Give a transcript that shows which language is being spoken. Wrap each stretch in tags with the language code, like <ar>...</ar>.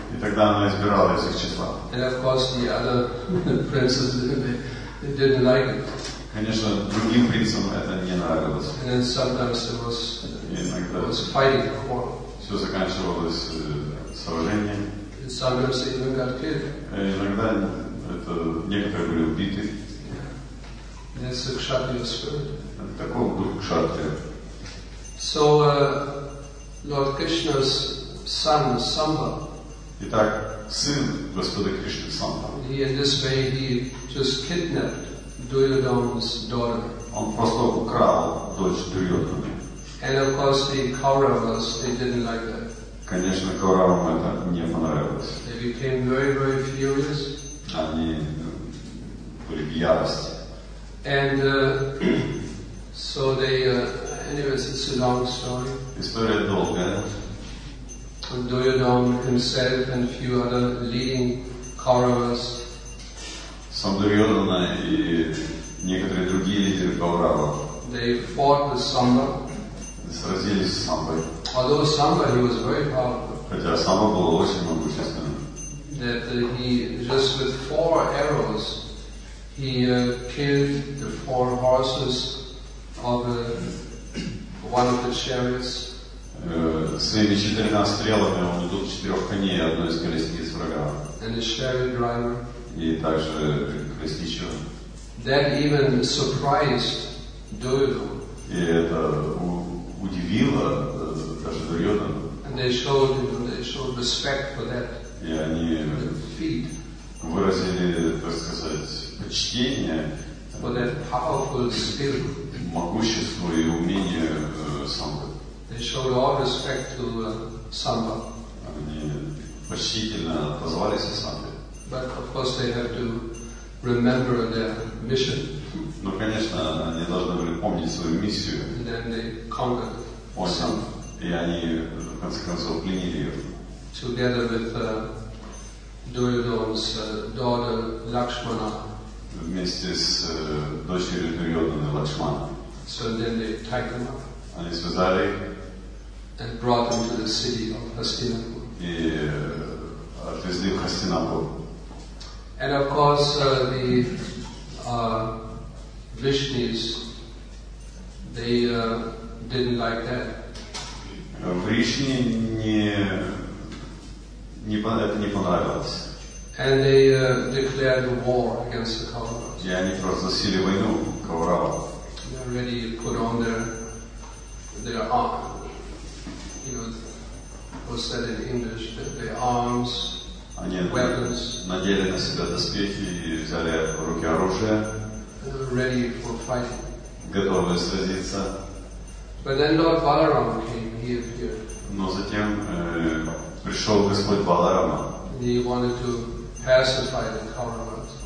<ru>И тогда она избирала из их числа.</ru> <en>And of course the other princesses, they didn't like it.</en> <ru>Конечно, другим принцам это не нравилось.</ru> <en>And then sometimes it was fighting for war.</en> <ru>Все заканчивалось сражением.</ru> <en>And sometimes they even got killed.</en> <ru>Иногда это некоторые были убиты.</ru> <en>And it's a kshatriya spirit.</en> <ru>Таков дух кшатрия.</ru> <en>So Lord Krishna's son Samba.</en> <ru>Итак, сын Господа Кришны Самба.</ru> <en>He in this way he just kidnapped Duryodhana's daughter.</en> <ru>Он просто украл дочь Дурьотаны.</ru> <en>And of course the Kauravas, they didn't like that.</en> <ru>Конечно, Кауравам это не понравилось.</ru> <en>They became very, very furious.</en> <ru>Они были в ярости.</ru> <en>And so they, anyways, it's a long story.</en> <ru>История долгая.</ru> <en>And Duryodhana himself and a few other leading Kauravas.</en> <ru>Сам Дурьодхана и некоторые другие лидеры Кауравы.</ru> <en>They fought with Samba.</en> <ru>Сразились с Самбой.</ru> <en>Although Samba, he was very powerful.</en> <ru>Хотя Самба был очень могущественным.</ru> <en>That he just with four arrows, he killed the four horses of one of the chariots.</en> <ru>Своими четырьмя стрелами он убил четырех коней одной из колесниц врага.</ru> <en>And the chariot driver.</en> <ru>И также колесничего.</ru> <en>That even surprised Duryodhana.</en> <ru>И это удивило даже Дурьодхану.</ru> <en>And they showed respect for that.</en> <ru>И они feat. Выразили, так сказать, почтение.</ru> <en>For that powerful skill.</en> <ru>Могущество и умение Самбы.</ru> <en>They showed all respect to Samba.</en> <ru>Они почтительно отозвались о Самбе.</ru> <en>But of course they have to remember their mission.</en> <ru>Но, конечно, они должны были помнить свою миссию.</ru> <en>And then they conquered. Осан.</en> <ru>И они, в конце концов, пленили ее.</ru> <en>Together with Duryodhana's daughter Lakshmana.</en> <ru>вместе с дочерью Дурьодана Лакшмана.</ru> <en>So then they tied them up.</en> <ru>Они связали их.</ru> <en>And brought them to the city of Hastinapur.</en> <ru>И отвезли в Хастинапур.</ru> <en>And of course the Vrishnis, they didn't like that.</en> <ru>Vrishni не это не понравилось.</ru> <en>And they declared war against the Kauravas.</en> <ru>И они провозгласили войну Кауравам.</ru> <en>They already put on their arms, you know, was said in English, their arms,</en> <ru>они</ru> <en>weapons.</en> <ru>Надели на себя доспехи и взяли в руки оружие.</ru> <en>They were ready for fighting.</en> <ru>Готовы сразиться.</ru> <en>But then Lord Balaram came, he appeared.</en> <ru>Но затем пришел Господь Баларама.</ru> <en>He wanted to pacify the Kauravas.</en>